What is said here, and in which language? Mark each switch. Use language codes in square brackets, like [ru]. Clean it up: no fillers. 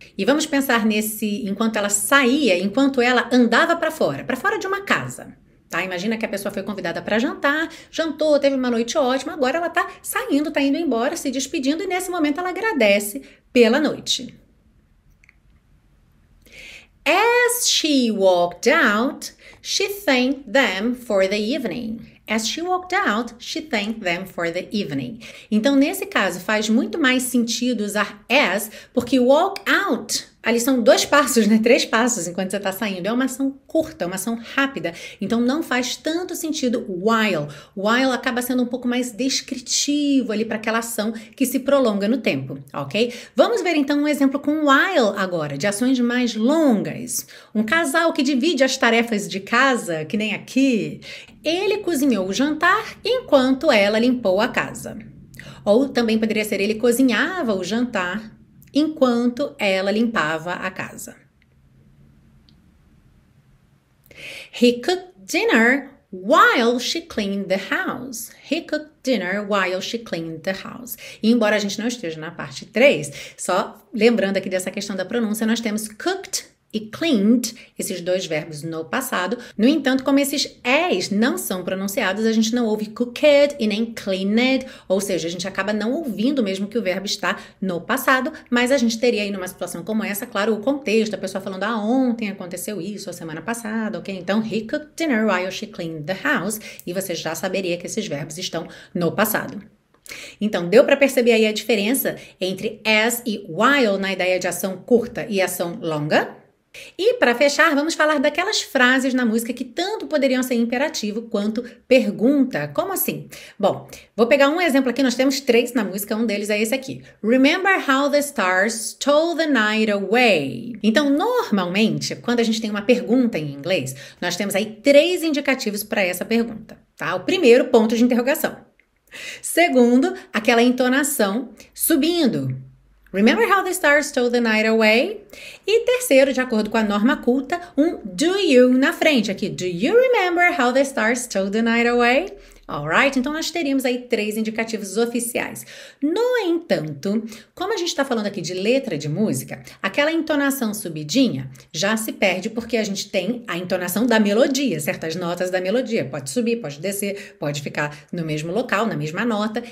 [pt] E vamos pensar nesse enquanto ela saía, enquanto ela andava para fora de uma casa. Tá? Imagina que a pessoa foi convidada para jantar, jantou, teve uma noite ótima, agora ela tá saindo, tá indo embora, se despedindo, e nesse momento ela agradece pela noite. [en] As she walked out, she thanked them for the evening. As she walked out, she thanked them for the evening. [pt] Então, nesse caso, faz muito mais sentido usar as, porque walk out, ali são dois passos, né? Três passos enquanto você está saindo. É uma ação curta, uma ação rápida. Então, não faz tanto sentido while. While acaba sendo um pouco mais descritivo ali para aquela ação que se prolonga no tempo, ok? Vamos ver então um exemplo com while agora, de ações mais longas. Um casal que divide as tarefas de casa, que nem aqui. Ele cozinhou o jantar enquanto ela limpou a casa. Ou também poderia ser ele cozinhava o jantar enquanto ela limpava a casa. [en] He cooked dinner while she cleaned the house. He cooked dinner while she cleaned the house. [pt] E embora a gente não esteja na parte 3, só lembrando aqui dessa questão da pronúncia, nós temos cooked e cleaned, esses dois verbos no passado. No entanto, como esses es não são pronunciados, a gente não ouve cooked e nem cleaned, ou seja, a gente acaba não ouvindo mesmo que o verbo está no passado, mas a gente teria aí numa situação como essa, claro, o contexto, a pessoa falando, ah, ontem aconteceu isso, a semana passada, ok? Então, he cooked dinner while she cleaned the house, e você já saberia que esses verbos estão no passado. Então, deu para perceber aí a diferença entre as e while na ideia de ação curta e ação longa? E para fechar, vamos falar daquelas frases na música que tanto poderiam ser imperativo quanto pergunta. Como assim? Bom, vou pegar um exemplo aqui. Nós temos três na música, um deles é esse aqui. [en] Remember how the stars stole the night away? [pt] Então, normalmente, quando a gente tem uma pergunta em inglês, nós temos aí três indicativos para essa pergunta, tá? O primeiro, ponto de interrogação. Segundo, aquela entonação subindo. [en] Remember how the stars stole the night away? [pt] E terceiro, de acordo com a norma culta, um do you na frente aqui. [en] Do you remember how the stars stole the night away? [pt] Alright, então nós teríamos aí três indicativos oficiais. No entanto, como a gente está falando aqui de letra de música, aquela entonação subidinha já se perde porque a gente tem a entonação da melodia, certas notas da melodia. Pode subir, pode descer, pode ficar no mesmo local, na mesma nota.